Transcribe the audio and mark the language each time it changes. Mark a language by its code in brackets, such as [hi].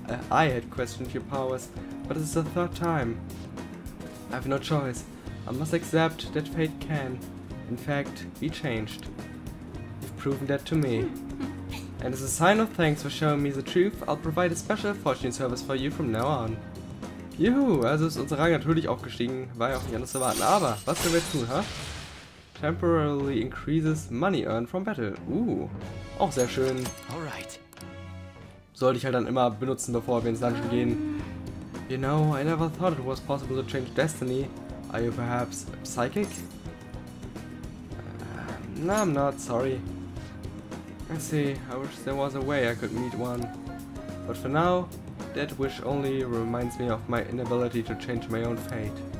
[en] I had questioned your powers, but this is the third time. I have no choice. I must accept that fate can, in fact, be changed. You've proven that to me. And as a sign of thanks for showing me the truth, I'll provide a special fortune service for you from now on. [de] Juhu, also ist unser Rang natürlich auch gestiegen, war ja auch nicht anders zu erwarten. Aber, was können wir tun, ha? Huh? [en] Temporarily increases money earned from battle. [de] Auch sehr schön. [en] Alright. [de] Sollte ich halt dann immer benutzen, bevor wir ins Dungeon gehen. [en] You know, I never thought it was possible to change destiny. Are you perhaps psychic? No, I'm not, sorry. I see, I wish there was a way I could meet one. But for now, that wish only reminds me of my inability to change my own fate.